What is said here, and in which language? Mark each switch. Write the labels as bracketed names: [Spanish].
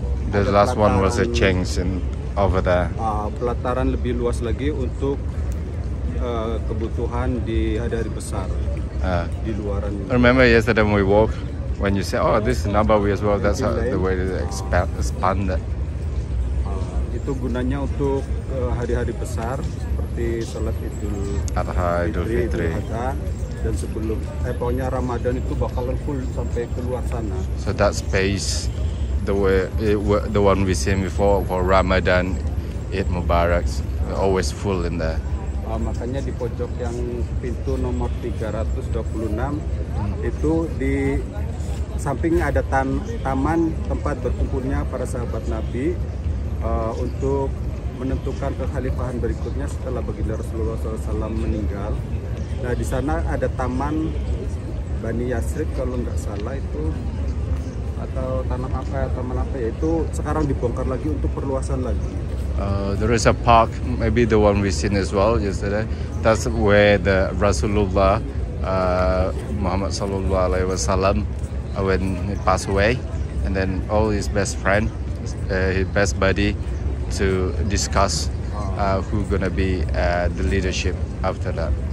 [English] The last one was a change in over there. [Indonesian] Pelataran lebih luas lagi untuk kebutuhan di hari besar di luaran. [English] Remember yesterday when we walk, when you say, oh, this is Nabawi as well. That's the way they expand it. [Indonesian] Itu gunanya untuk hari-hari besar seperti salat Idul Fitri. Dan sebelum pokoknya Ramadan itu bakalan full sampai keluar sana. [English] So that space. The one we seen before for Ramadan, Eid Mubarak, always full in there. [Indonesian] Makanya di pojok yang pintu nomor 326 itu di samping ada taman tempat berkumpulnya para sahabat Nabi untuk menentukan kekhalifahan berikutnya setelah baginda Rasulullah SAW meninggal. Nah di sana ada taman Bani Yasrib kalau nggak salah itu. Atau taman apa ya itu sekarang dibongkar lagi untuk perluasan lagi. [English] There is a park, maybe the one we seen as well yesterday. That's where the Rasulullah Muhammad Sallallahu Alaihi Wasallam when he passed away, and then all his best friend, his best buddy, to discuss who gonna be the leadership after that.